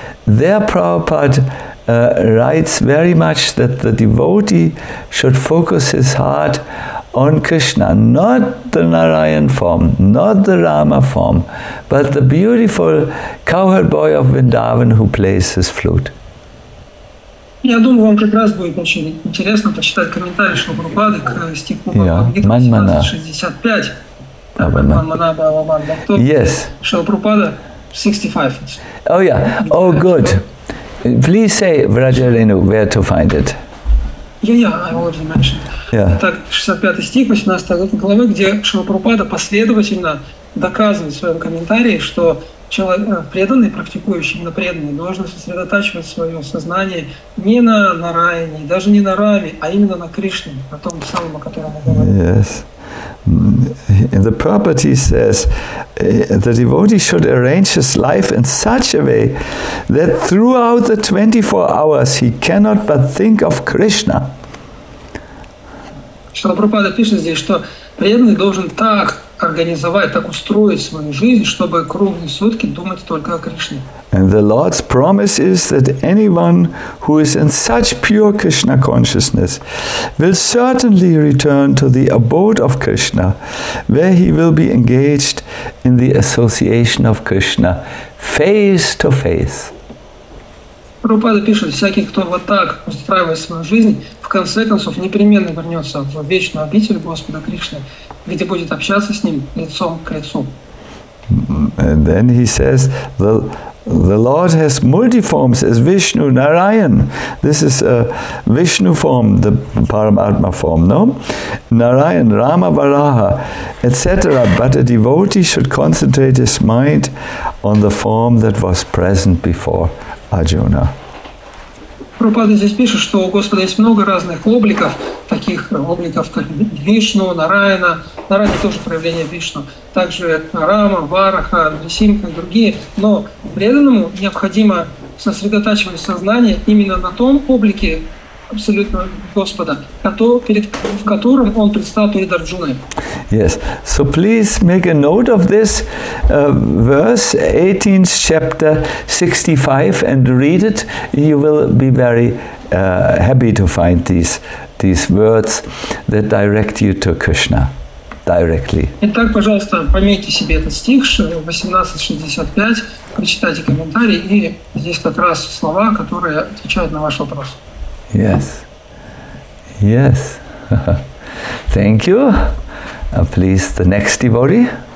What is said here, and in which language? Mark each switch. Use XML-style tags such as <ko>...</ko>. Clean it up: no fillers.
<en>There Prabhupada writes very much that the devotee should focus his heart on Krishna, not the Narayan form, not the Rama form, but the beautiful cowherd boy of Vrindavan who plays his flute.</en> <ru>Я думаю, вам как раз будет очень интересно почитать комментарий Шрупады к стиху Манмана 65.</ru> <en>Yes.</en> <ru>Шрупада 65.</ru> <en>Oh yeah. Oh good. Please say, Vrajarenu, where to find it. Yeah, yeah, I already mentioned.</en> <ru>Yeah. Так, 65 стих, 18 главы, где Шрила Прабхупада последовательно доказывает в своем комментарии, что преданный, практикующий, именно преданный, должен сосредотачивать свое сознание не на Нараяне, даже не на Раме, а именно на Кришне, на том самом, о котором мы говорим.</ru> <en>Yes. In the Prabhupada he says, the devotee should arrange his life in such a way that throughout the 24 hours he cannot but think of Krishna.</en> <ru>Шрила Прабхупада пишет здесь, что преданный должен так организовать, так устроить свою жизнь, чтобы круглые сутки думать только о Кришне.</ru> <en>And the Lord's promise is that anyone who is in such pure Krishna consciousness will certainly return to the abode of Krishna, where he will be engaged in the association of Krishna face to face.</en> <ru>Прабхупада пишет, всякий, кто вот так устраивает свою жизнь, в конце концов непременно вернется в вечную обитель Господа Кришны, где будет общаться с ним лицом к лицу.</ru> <en>And then he says, the Lord has multiforms as Vishnu, Narayan. This is a Vishnu form, the Paramatma form, no? Narayan, Rama, Varaha, etc. But a devotee should concentrate his mind on the form that was present before Arjuna.</en> <ru>Прабхупада здесь пишет, что у Господа есть много разных обликов, таких обликов, как Вишну, Нараяна. Нараяна тоже проявление Вишну. Также Рама, Вараха, Нарисимха и другие. Но преданному необходимо сосредотачивать сознание именно на том облике абсолютно Господа, в котором он предстал перед Арджуной.</ru> <en>Yes. So please make a note of this verse, 18th chapter, 65, and read it. You will be very happy to find these words that direct you to Krishna directly.</en> <ru>Итак, пожалуйста, пометьте себе этот стих, 18.65, прочитайте комментарий, и здесь как раз слова, которые отвечают на ваш вопрос.</ru> <en>Yes. Yes. Thank you. Please, the next devotee.</en>